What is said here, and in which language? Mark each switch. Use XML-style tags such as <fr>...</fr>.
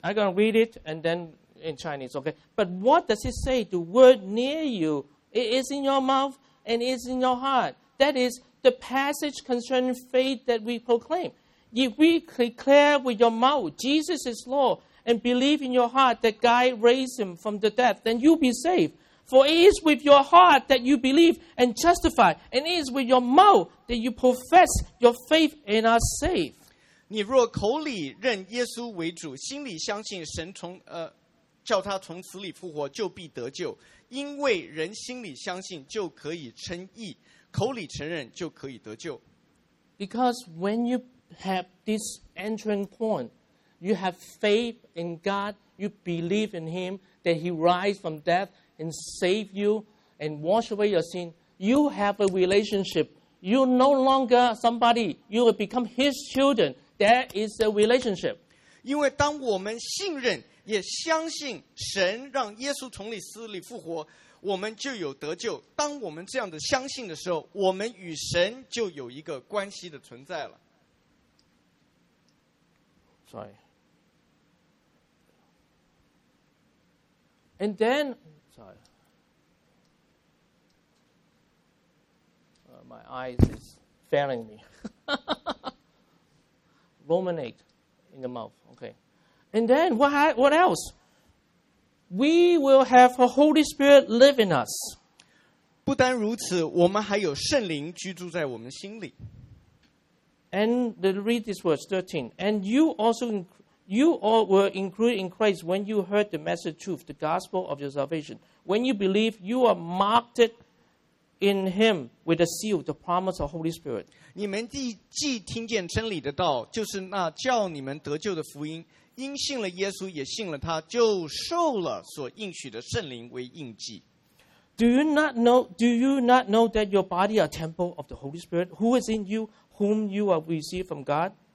<en>I'm going to read it and then. In Chinese, okay. But what does it say? The word near you, it is in your mouth and it is in your heart. That is the passage concerning faith that we proclaim. If we declare with your mouth, Jesus is Lord, and believe in your heart that God raised him from the dead, then you'll be saved. For it is with your heart that you believe and justify, and it is with your mouth that you profess your faith and are saved.</en> <zh>你若口里认耶稣为主，心里相信神从叫他从死里复活，就必得救。因为人心里相信，就可以称义；口里承认，就可以得救。</zh> <en>Because when you have this entering point, you have faith in God. You believe in Him that He rise from death and save you and wash away your sin. You have a relationship. You no longer somebody. You will become His children. There is a relationship.</en> <zh>因为当我们信任也相信神让耶稣从死里复活，我们就有得救。当我们这样的相信的时候，我们与神就有一个关系的存在了。</zh> <en>Sorry. And then sorry. My eyes is failing me. Ruminate in the mouth. Okay. And then what else? We will have a Holy Spirit live in us.</en> <zh>不单如此，我们还有圣灵居住在我们心里。</zh> <en>And read this verse 13. And you all were included in Christ when you heard the message of truth, the gospel of your salvation. When you believe, you are marked in Him with the seal, the promise of Holy Spirit.</en> <zh>你们既听见真理的道，就是那叫你们得救的福音。因信了耶稣，也信了他，就受了所应许的圣灵为印记。</zh> <en>Do you not know that your body are temple of the Holy Spirit, who is in you, whom you are received from God?</en>